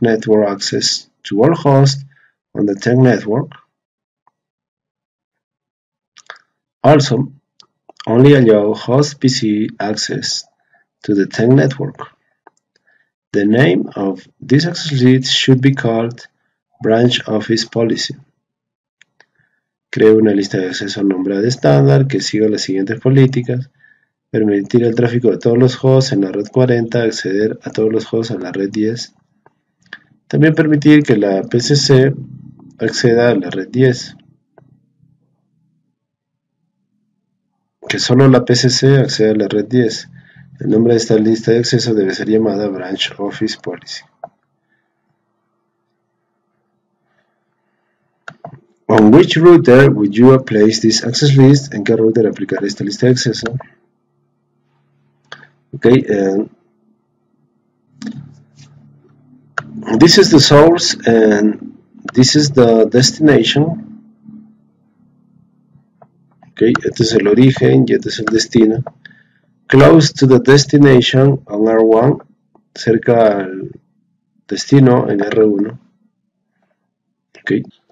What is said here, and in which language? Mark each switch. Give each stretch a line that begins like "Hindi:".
English: Network access to all hosts on the 10 network. Also, only allow host PC access to the tank network. The name of this access list should be called Branch Office Policy.
Spanish: Crea una lista de acceso nombrada estándar que siga las siguientes políticas. Permitir el tráfico de todos los hosts en la red 40, acceder a todos los hosts en la red 10. También permitir que la PCC acceda a la red 10. Que solo la PCC acceda a la red 10. El nombre de esta lista de acceso debe ser llamada Branch Office Policy.
English: On which router would you place this access list?
Spanish: ¿En qué router aplicaré esta lista de acceso?
English: Okay, and this is the source and this is the destination.
Spanish: Okay, este es el origen y este es el destino.
English: Close to the destination on R1,
Spanish: cerca al destino en R1.
English: Okay.